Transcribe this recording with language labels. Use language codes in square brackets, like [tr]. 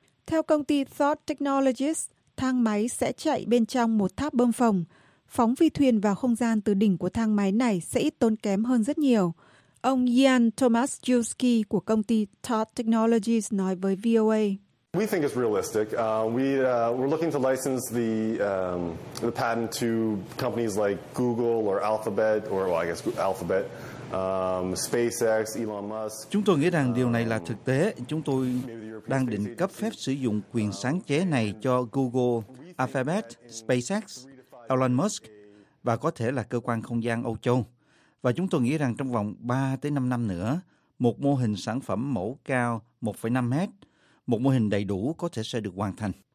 [vi] Theo công ty Thought Technologies, thang máy sẽ chạy bên trong một tháp bơm phồng. Phóng phi thuyền vào không gian từ đỉnh của thang máy này sẽ ít tốn kém hơn rất nhiều. Ông Jan Tomaszewski của công ty Thought Technologies nói với VOA. [en] We think it's realistic. We're looking to license the patent to companies like Google or Alphabet, or well, I guess Alphabet, SpaceX, Elon Musk. [vi] Chúng tôi nghĩ rằng điều này là thực tế. Chúng tôi đang định cấp phép sử dụng quyền sáng chế này cho Google, Alphabet, SpaceX, Elon Musk và có thể là cơ quan không gian Âu Châu. Và chúng tôi nghĩ rằng trong vòng 3-5 năm nữa, một mô hình sản phẩm mẫu cao 1,5 mét, một mô hình đầy đủ có thể sẽ được hoàn thành.